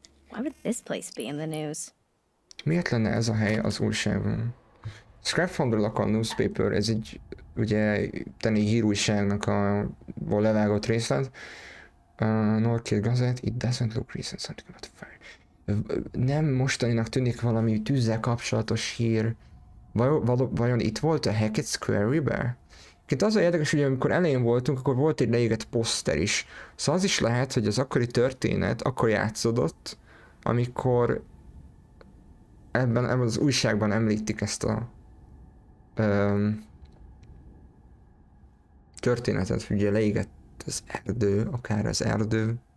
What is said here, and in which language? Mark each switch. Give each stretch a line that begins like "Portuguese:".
English: Why would this place be in the news?
Hungarian: Miért lenne ez a hely az újságban?
English: Scrap Founder Local Newspaper,
Hungarian: ez egy ugye tenni hírújságnak a levágott részlet.
English: Norkill Gazette, it doesn't look recent, something about fire.
Hungarian: Nem mostaninak tűnik valami tűzzel kapcsolatos hír. Vajon itt volt a Hackett's Quarry-be? Itt az a érdekes, hogy amikor elején voltunk, akkor volt egy leégett poszter is. Szóval az is lehet, hogy az akkori történet akkor játszódott, amikor ebben az újságban említik ezt a történetet, ugye leégett az erdő, akár az erdő.